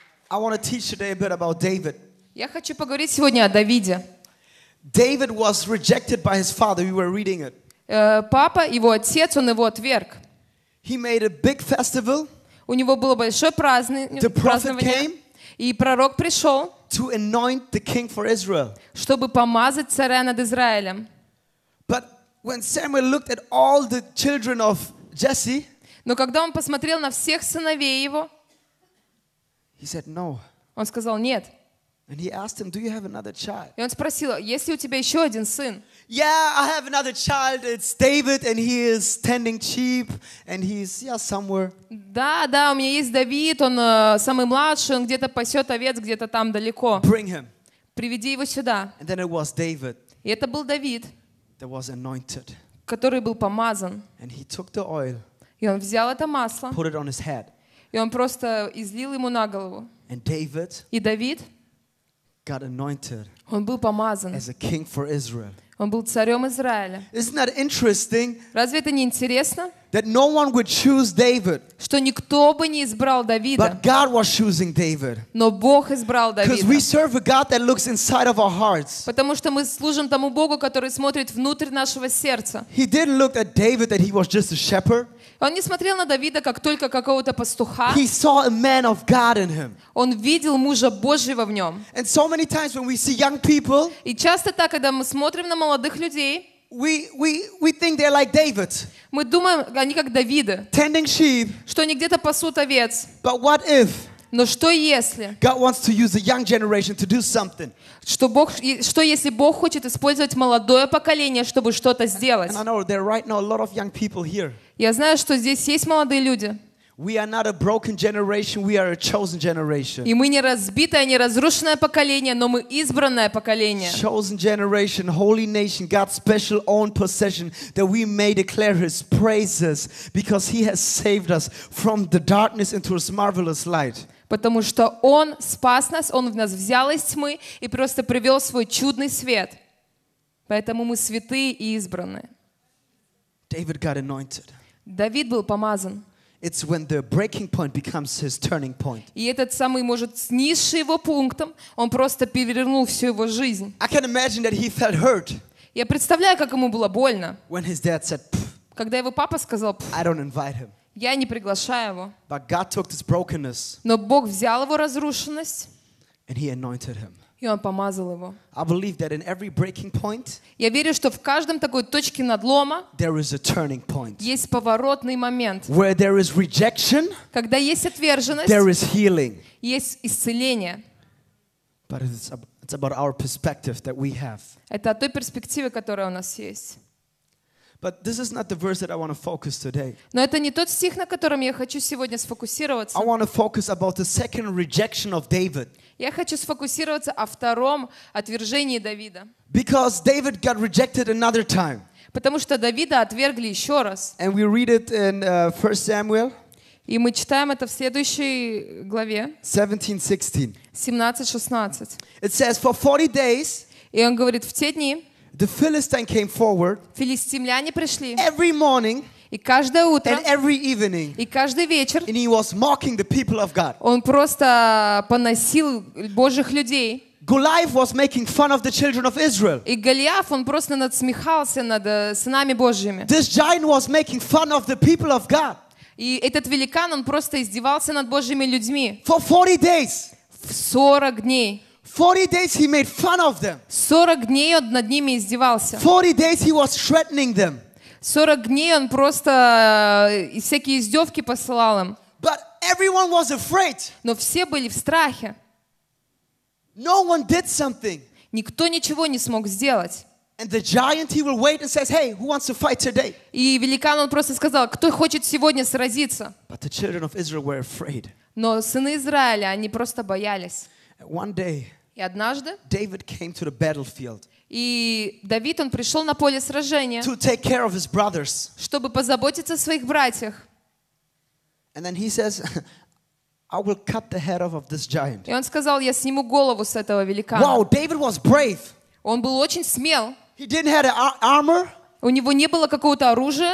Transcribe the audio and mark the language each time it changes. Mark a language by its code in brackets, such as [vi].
[en] I want to teach today a bit about David. [ru] Я хочу поговорить сегодня о Давиде. [en] David was rejected by his father. We were reading it. [ru] Папа, его отец, он его отверг. [en] He made a big festival. [ru] У него было большое празднование. [en] The prophet came. [ru] И пророк пришел. [en] To anoint the king for Israel. [ru] Чтобы помазать царя над Израилем. [en] But when Samuel looked at all the children of Jesse. [ru] Но когда он посмотрел на всех сыновей его. [en] He said no. [ru] Он сказал нет. [en] And he asked him, "Do you have another child?" [ru] И он спросил, есть ли у тебя еще один сын? [en] Yeah, I have another child. It's David, and he is tending sheep, and he's somewhere. [ru] Да, да, у меня есть Давид. Он самый младший. Он где-то пасет овец где-то там далеко. [en] Bring him. [ru] Приведи его сюда. [en] And then it was David. [ru] И это был Давид. [en] That was anointed. [ru] Который был помазан. [en] And he took the oil. [ru] И он взял это масло. [en] Put it on his head. [ru] И он просто излил ему на голову. [en] And David. [ru] И Давид. [en] Got anointed. [ru] Он был помазан. [en] As a king for Israel. [ru] Он был царем Израиля. [en] Isn't that interesting? [ru] Разве это не интересно? [en] That no one would choose David. [ru] Что никто бы не избрал Давида. [en] But God was choosing David. [ru] Но Бог избрал Давида. [en] Because we serve a God that looks inside of our hearts. [ru] Потому что мы служим тому Богу, который смотрит внутрь нашего сердца. [en] He didn't look at David that he was just a shepherd. [ru] Он не смотрел на Давида как только какого-то пастуха. [en] He saw a man of God in him. [ru] Он видел мужа Божьего в нем. [en] And so many times when we see young people, [ru] и часто так, когда мы смотрим на молодых людей, [en] we think they're like David. [ru] Мы думаем, они как Давида. [en] Tending sheep. [ru] Что они где-то пасут овец. [en] But what if? [ru] Но что если? [en] God wants to use a young generation to do something. [ru] Что если Бог хочет использовать молодое поколение, чтобы что-то сделать? [en] And I know there are right now a lot of young people here. [ru] Я знаю, что здесь есть молодые люди. [en] We are not a broken generation, we are a chosen generation. [ru] И мы не разбитое, не разрушенное поколение, но мы избранное поколение. [en] Chosen generation, holy nation, God's special own possession, that we may declare His praises, because He has saved us from the darkness into His marvelous light. [ru] Потому что Он спас нас, Он в нас взял из тьмы и просто привел свой чудный свет. Поэтому мы святые и избранные. [en] David got anointed. [ru] Давид был помазан. [en] It's when the breaking point becomes his turning point. [ru] И этот самый, может, с низшим его пунктом, он просто перевернул всю его жизнь. [en] I can imagine that he felt hurt. [ru] Я представляю, как ему было больно. [en] When his dad said, "Pff." [ru] Когда его папа сказал, "Pff." [en] I don't invite him. [ru] Я не приглашаю его. [en] But God took this brokenness. [ru] Но Бог взял его разрушенность. [en] And he anointed him. [ru] И он помазал его. [en] I believe that in every breaking point, [ru] я верю, что в каждом такой точке надлома [en] there is a turning point. [ru] Есть поворотный момент. [en] Where there is rejection, [ru] когда есть отверженность, [en] there is healing. [ru] Есть исцеление. [en] But it's about our perspective that we have. [ru] Это о той перспективе, которая у нас есть. [en] But this is not the verse that I want to focus today. [ru] Но это не тот стих, на котором я хочу сегодня сфокусироваться. [en] I want to focus about the second rejection of David. [ru] Я хочу сфокусироваться о втором отвержении Давида. [en] Because David got rejected another time. [ru] Потому что Давида отвергли еще раз. [en] And we read it in 1 Samuel. [ru] И мы читаем это в следующей главе. [en] 17:16. It says, for 40 days. [ru] И он говорит, в те дни. [en] The Philistine came forward. [ru] Филистимляне пришли. [en] Every morning. [ru] И каждое утро. [en] And every evening. [ru] И каждый вечер. [en] And he was mocking the people of God. [ru] Он просто поносил Божьих людей. [en] Goliath was making fun of the children of Israel. [ru] И Голиаф, он просто надсмехался над сынами Божьими. [en] This giant was making fun of the people of God. [ru] И этот великан, он просто издевался над Божьими людьми. [en] For 40 days. [ru] В 40 дней. [en] 40 days he made fun of them. [ru] 40 дней он над ними издевался. [en] 40 days he was threatening them. [ru] 40 дней он просто всякие издевки посылал им. [en] But everyone was afraid. [ru] Но все были в страхе. [en] No one did something. [ru] Никто ничего не смог сделать. [en] And the giant he will wait and says, "Hey, who wants to fight today?" [ru] И великан он просто сказал, кто хочет сегодня сразиться? [en] But the children of Israel were afraid. [ru] Но сыны Израиля они просто боялись. [en] One day, [ru] и однажды [en] David came to the battlefield, [ru] и Давид он пришел на поле сражения, [en] to take care of his brothers, [ru] чтобы позаботиться о своих братьях. [en] And then he says, "I will cut the head off of this giant." [ru] И он сказал, я сниму голову с этого великана. [en] Wow, David was brave. [ru] Он был очень смел. [en] He didn't have armor. [ru] У него не было какого-то оружия.